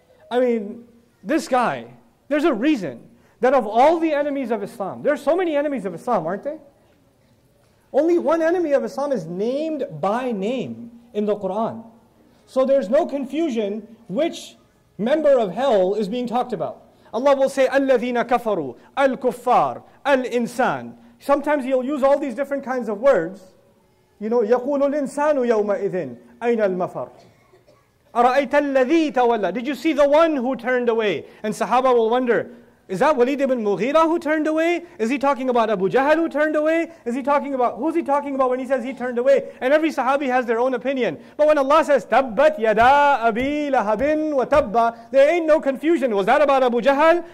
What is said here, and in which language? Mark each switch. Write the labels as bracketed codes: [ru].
[en] I mean, this guy, there's a reason that of all the enemies of Islam, there are so many enemies of Islam, aren't they? Only one enemy of Islam is named by name in the Quran. So there's no confusion which member of hell is being talked about. Allah will say, [ar] الَّذِينَ كَفَرُوا الْكُفَّارُ الْإِنسَانُ. [en] Sometimes he'll use all these different kinds of words. You know, [ar] يَقُولُ الْإِنسَانُ يَوْمَئِذٍ أَيْنَ الْمَفَرُ. أَرَأَيْتَ الَّذِي تَوَلَّى. [en] Did you see the one who turned away? And Sahaba will wonder, is that Walid ibn Mughira who turned away? Is he talking about Abu Jahl who turned away? Is he talking about, who's he talking about when he says he turned away? And every Sahabi has their own opinion. But when Allah says, [ar] تَبَّتْ يَدَا أَبِي لَهَبٍ وَتَبَّ, [en] there ain't no confusion. Was that about Abu Jahl?